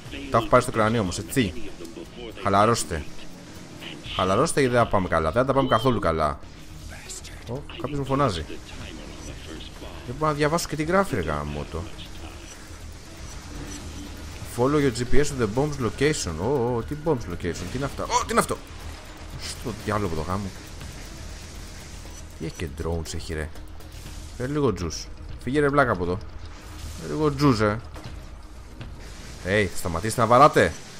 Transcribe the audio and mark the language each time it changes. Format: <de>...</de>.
<el>Τα έχω πάρει στο κρανίο όμως, έτσι. Χαλαρώστε. Χαλαρώστε ή δεν θα πάμε καλά. Δεν θα πάμε καθόλου καλά. Ω, κάποιος μου φωνάζει. Δεν μπορώ να διαβάσω και τι γράφει ρε γαμώτο.</el> <en>Follow your GPS to the bomb's location.</en> <el>Τι</el> <en>bomb's location,</en> <el>τι είναι αυτά? Τι είναι αυτό? Στο διάλογο το γάμο. Τι έχει και drones έχει ρε. Φέρε λίγο τζους. Φύγε ρε βλάκα από εδώ. Φέρε λίγο τζους ρε. Hey, σταματήστε να βαράτε.</el>